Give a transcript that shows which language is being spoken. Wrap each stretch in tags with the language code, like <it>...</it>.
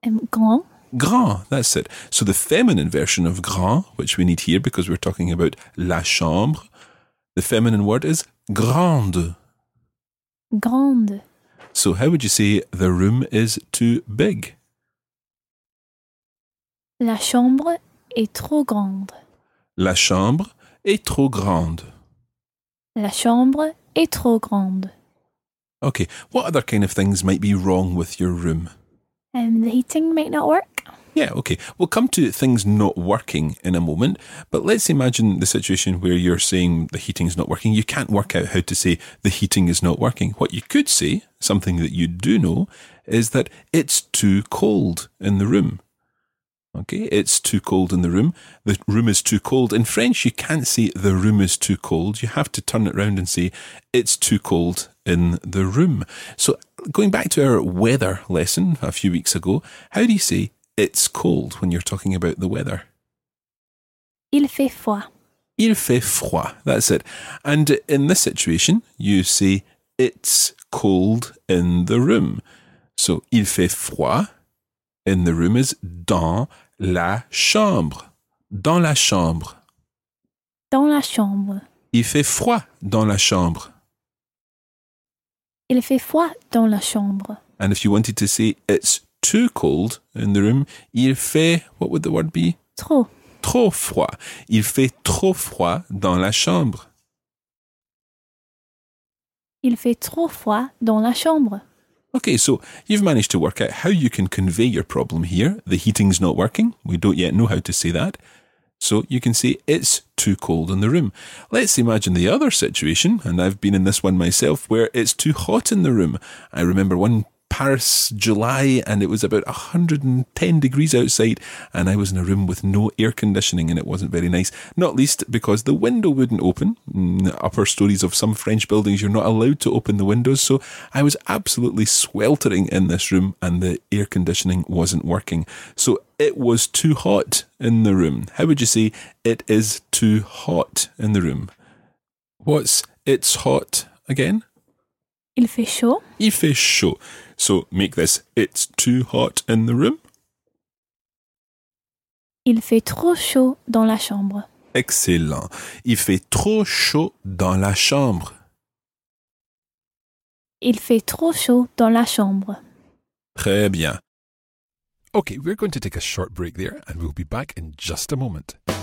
<fr>Grand.</fr> <en>Grand, that's it. So the feminine version of grand, which we need here because we're talking about la chambre, the feminine word is grande.</en> <fr>Grande.</fr> <en>So how would you say the room is too big?</en> <fr>La chambre est trop grande. La chambre est trop grande. La chambre est trop grande.</fr> <en>Okay, what other kind of things might be wrong with your room? The heating might not work. Yeah, okay. We'll come to things not working in a moment, but let's imagine the situation where you're saying the heating's not working. You can't work out how to say the heating is not working. What you could say, something that you do know, is that it's too cold in the room. Okay, it's too cold in the room. The room is too cold. In French, you can't say the room is too cold. You have to turn it around and say it's too cold in the room. So going back to our weather lesson a few weeks ago, how do you say it's cold when you're talking about the weather?</en> <fr>Il fait froid. Il fait froid,</fr> <en>that's it. And in this situation, you say it's cold in the room. So</en> <fr>il fait froid</fr> <en>in the room is</en> <fr>dans la chambre. Dans la chambre. Dans la chambre. Il fait froid dans la chambre. Il fait froid dans la chambre.</fr> <en>And if you wanted to say it's too cold in the room,</en> <fr>il fait,</fr> <en>what would the word be?</en> <fr>Trop. Trop froid. Il fait trop froid dans la chambre. Il fait trop froid dans la chambre.</fr> <en>Okay, so you've managed to work out how you can convey your problem here. The heating's not working. We don't yet know how to say that. So you can say it's too cold in the room. Let's imagine the other situation, and I've been in this one myself, where it's too hot in the room. I remember one Paris, July, and it was about 110 degrees outside, and I was in a room with no air conditioning, and it wasn't very nice, not least because the window wouldn't open. In the upper stories of some French buildings, you're not allowed to open the windows, so I was absolutely sweltering in this room, and the air conditioning wasn't working. So it was too hot in the room. How would you say it is too hot in the room? What's it's hot again?</en> <fr>Il fait chaud. Il fait chaud.</fr> <en>So make this, it's too hot in the room.</en> <fr>Il fait trop chaud dans la chambre.</fr> <en>Excellent.</en> <fr>Il fait trop chaud dans la chambre. Il fait trop chaud dans la chambre. Très bien.</fr> <en>Okay, we're going to take a short break there and we'll be back in just a moment.</en>